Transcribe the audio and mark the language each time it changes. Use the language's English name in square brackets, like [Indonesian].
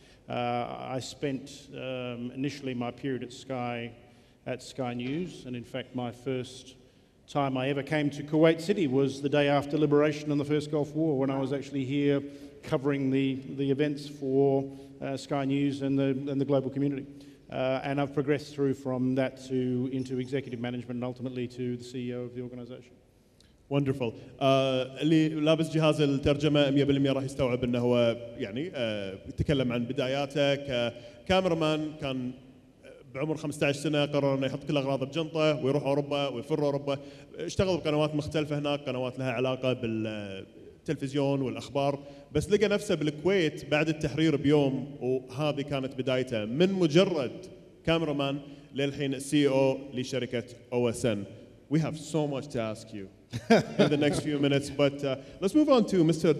[English] I spent initially my period at Sky News, and in fact my first time I ever came to Kuwait City was the day after liberation and the first Gulf War, when I was actually here covering the events for Sky News and the global community. And I've progressed through from that to into executive management and ultimately to the CEO of the organization. Wonderful. [Arabic] اللي لابس جهاز الترجمة 100% راح يستوعب إنه هو يعني يتكلم عن بداياته ككاميرمان كان بعمر 15 سنة قرر إنه يحط كل أغراضه بجنطة ويروح أوروبا ويفر أوروبا اشتغل بقنوات مختلفة هناك قنوات لها علاقة بالتلفزيون والأخبار بس لقى نفسه بالكويت بعد التحرير بيوم وهذه كانت بدايته من مجرد كاميرمان للحين CEO لشركة OSN. [English] We have so much to ask you in the next few minutes, but let's move on to Mr.